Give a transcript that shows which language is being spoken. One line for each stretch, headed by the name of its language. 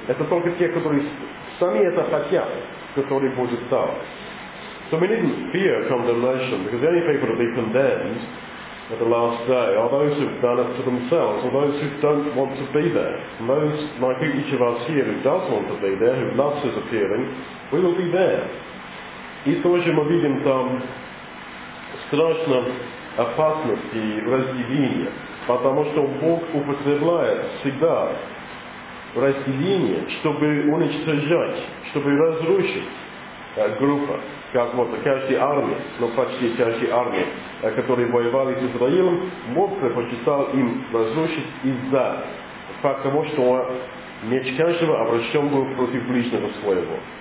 Russian: Это только те, которые сами это хотят, которые будут там.
English: So we needn't fear condemnation, because the only people to be condemned at the last day are those who've done it to themselves, or those who don't want to be there. And those, like each of us here who does want to be there, who loves his appearing, we will be there.
Russian: И тоже мы видим там страшно опасности разделения, потому что Бог употребляет всегда разделение, чтобы уничтожать, чтобы разрушить группу, как вот каждая армия, но почти каждая армия, которые воевали с Израилем, Бог предпочитал им разрушить из-за факта того, что меч каждого обращен был против ближнего своего.